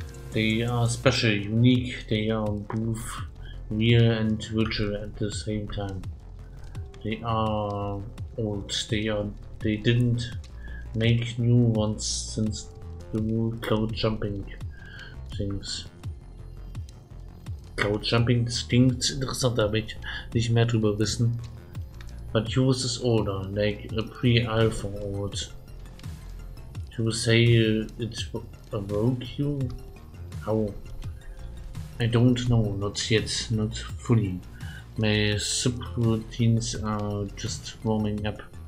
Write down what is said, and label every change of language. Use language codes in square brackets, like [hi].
[en] They are special, unique, they are both real and virtual at the same time. They are old, they didn't make new ones since the whole cloud jumping things. [de] Cloud jumping, das klingt interessant, da will ich nicht mehr drüber wissen. [en] But yours is older, like a pre-alpha old. You say it awoke you? How? I don't know, not yet, not fully. My subroutines are just warming up.